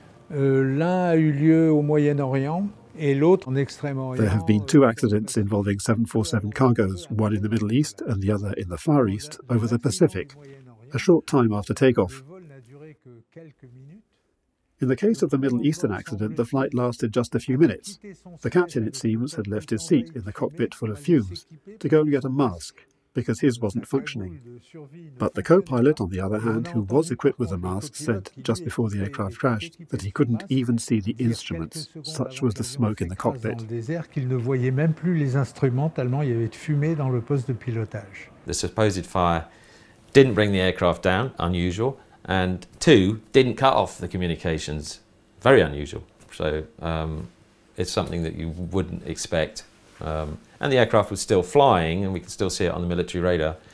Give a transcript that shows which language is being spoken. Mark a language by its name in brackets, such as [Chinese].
[French] L'un a eu lieu au Moyen-Orient et l'autre en Extrême-Orient. [English] There have been two accidents involving 747 cargos, one in the Middle East and the other in the Far East, over the Pacific. A short time after takeoff. In the case of the Middle Eastern accident, the flight lasted just a few minutes. The captain, it seems, had left his seat in the cockpit full of fumes to go and get a mask because his wasn't functioning. But the co-pilot, on the other hand, who was equipped with a mask, said just before the aircraft crashed that he couldn't even see the instruments. Such was the smoke in the cockpit. [French] Qu'il ne voyait même plus les instruments tellement il y avait de fumée dans le poste de pilotage. [English] The supposed fire didn't bring the aircraft down, unusual, and two, didn't cut off the communications, very unusual. So it's something that you wouldn't expect. And the aircraft was still flying, and we can still see it on the military radar.